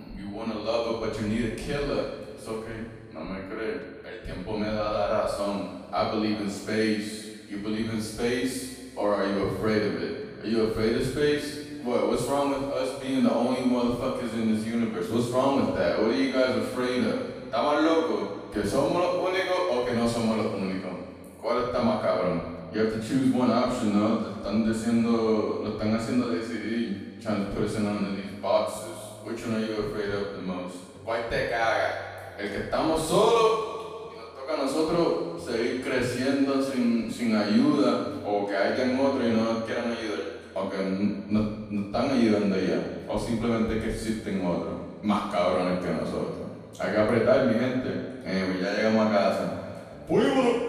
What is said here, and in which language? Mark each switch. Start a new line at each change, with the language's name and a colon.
English: You want a lover, but you need a killer.
Spanish: It's okay. No me cree. El tiempo me da la razón.
English: I believe in space. You believe in space? Or are you afraid of it? Are you afraid of space? What's wrong with us being the only motherfuckers in this universe? What's wrong with that? What are you guys afraid of?
Spanish: ¿Estamos locos? ¿Que somos los únicos o que no somos los únicos? ¿Cuál está más cabrón?
English: You have to choose one option,
Spanish: ¿no? Están diciendo, lo están haciendo decidir.
English: Trying to put us in under these boxes. Which one are you afraid of the most?
Spanish: ¿Cuál te caga? El que estamos solos y nos toca a nosotros seguir creciendo sin ayuda. O que haya otro y no nos quieran ayudar. O que no están ayudando ya. O simplemente que existen otros más cabrones que nosotros. Hay que apretar, mi gente. Ya llegamos a casa. ¡Fuimos!